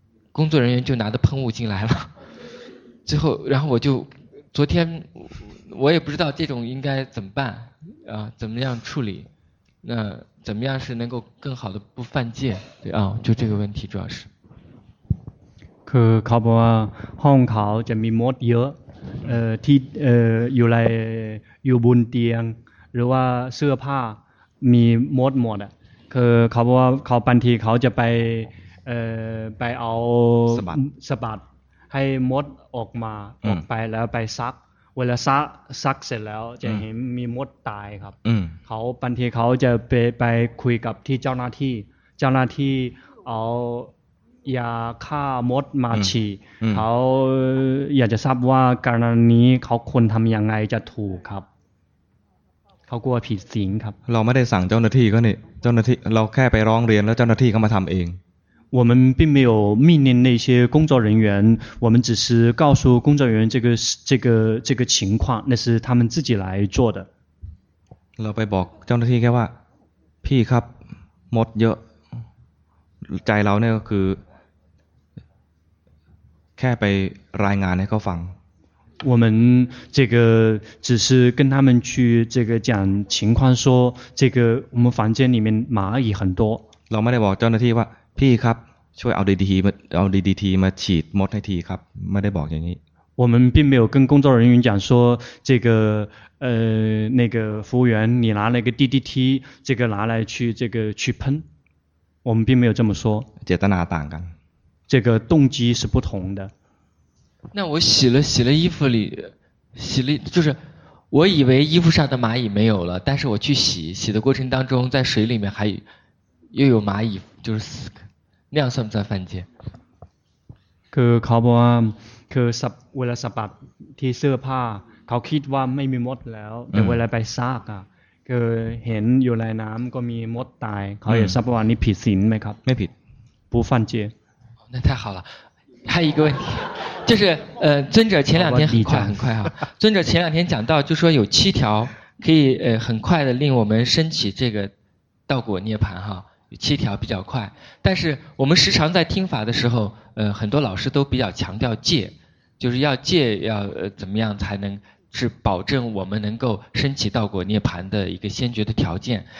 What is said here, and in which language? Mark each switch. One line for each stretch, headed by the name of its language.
Chinese: 工作人员就拿着喷雾进来了最后然后我就昨天我也不知道这种应该怎么办啊怎么样处理那怎么样是能够更好的不犯戒对啊就这个问题主要是
Thai: คือครับว่าห้องเขาจะมีมดเยอะที่อยู่ในอยู่บนเตียงหรือว่าเสื้อผ้ามีมดหมดอ่ะคือเขาบอกว่าเขาบางทีเขาจะไปเอา สบัดให้มดออกมาออกไปแล้วไปซักเวลาซักเสร็จแล้วจะเห็นมีมดตายครับเขาบางทีเขาจะไปคุยกับที่เจ้าหน้าที่เจ้าหน้าที่เอายาฆ่ามดมาฉีดเขาอยากจะทราบว่าการนี้เขาควรทำยังไงจะถูกครับเขากลัวผิดศีลครับ เราไม่ได้สั่งเจ้าหน้าที่ก็นี่เจ้าหน้าที่เราแค่ไปร้องเรียนแล้วเจ้าหน้าที่เขามาทำเอง
Chinese: 我们并没有命令那些工作人员我们只是告诉工作人员这个情况那是他们自己来做的
Thai: เราไปบอกเจ้าหน้าที่แค่ว่าพี่ครับมดเยอะใจเราเนี่ยก็คือแค่ไปรายงานให้เขาฟัง
Chinese: 我们这个只是跟他们去这个讲情况，说这个我们房间里面蚂蚁很多。
Thai: เราไม่ได้บอกเจ้าหน้าที่ว่าพี่ครับช่วยเอาดีดีมาเอาดีดีทีมาฉีดมดให้ทีครับไม่ได้บอกอย่างนี้。
Chinese: 我们并没有跟工作人员讲说这个那个服务员你拿那个 DDT 这个拿来去这个去喷，我们并没有这么说。
Thai: เจตนาต่างกัน。
Chinese: 这个动机是不同的。那我洗了衣服里，洗了就是，我以为衣服上的蚂蚁没有了，但是我去洗的过程当中，在水里面还又有蚂蚁，就是那样算不算犯戒？
Thai: คือเขาบอกว่าคือสับเวลาสับปัดที่เสื้อผ้าเขาคิดว่าไม่มีมดแล้วแต่เวลาไปซักอ่ะคือเห็นอยู่ในน้ำก็มีมดตายเขาอยากทราบว่านี่ผิดศีลไหมครับ ไม่ผิด
Chinese: 不犯戒那太好了还有一个问题，就是尊者前两天很快很快啊，尊者前两天讲到，就说有七条可以很快的令我们升起这个道果涅槃哈，有七条比较快。但是我们时常在听法的时候，很多老师都比较强调戒，就是要戒要怎么样才能是保证我们能够升起道果涅槃的一个先决的条件。